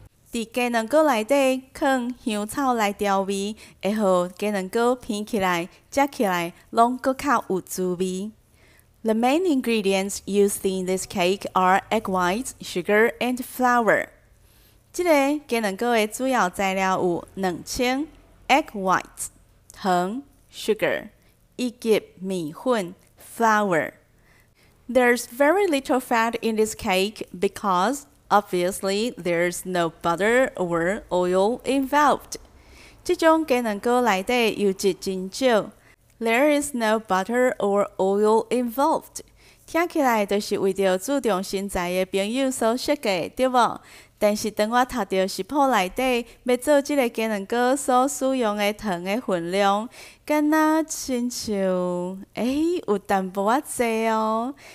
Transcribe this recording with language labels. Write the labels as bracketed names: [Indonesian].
[Min Nan Chinese] 在鸡卵糕里底放香草来调味，会好鸡卵糕片起来、夹起来，拢搁较有滋味。 [English] The main ingredients used in this cake are egg whites, sugar, and flour. [Min Nan Chinese] 这个鸡卵糕的主要材料有卵清 egg whites, 糖 sugar, 以及米粉 flour. [English] There's very little fat in this cake because. Obviously, there's no butter or oil involved. [Min Nan Chinese] 这种鸡卵糕里底油脂真少。 [English] There is no butter or oil involved. [Min Nan Chinese] 听起来就是为着注重身材的朋友所设计，对不？但是当我读到食谱里底要做这个鸡卵糕所使用的糖的分量，敢那亲像，有淡薄啊多哦。